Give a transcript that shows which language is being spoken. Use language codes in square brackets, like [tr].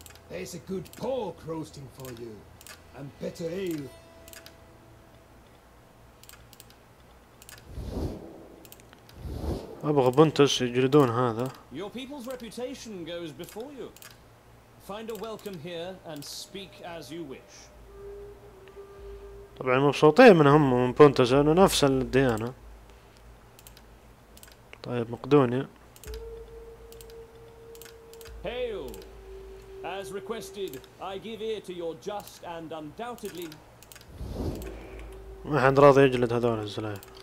[en] There's a good pork roasting for you and better ale. [ar] ابغى بنتس يجلدون هذا. [en] Your people's reputation goes before you. Find a welcome here and speak as you wish. [ar] طبعا مبسوطين من هم من بونتوس لانه نفس الديانه. طيب مقدونيا. [en] Hail! As requested, I give ear to your just and undoubtedly. [ar] ما حد راضي يجلد هذول الزلايف.